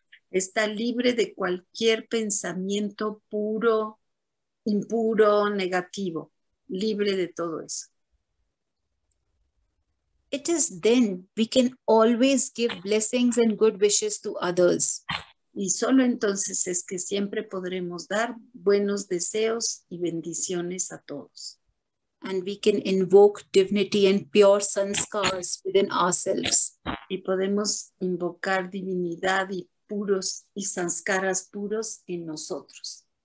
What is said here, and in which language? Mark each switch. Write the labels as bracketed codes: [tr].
[es] Está libre de cualquier pensamiento puro, impuro, negativo. Libre de todo eso. [en] It is then we can always give blessings and good wishes to others. [es] Y solo entonces es que siempre podremos dar buenos deseos y bendiciones a todos. [en] And we can invoke divinity and pure sanskars within ourselves. [es] Y podemos invocar divinidad y puros y sanskaras puros en nosotros.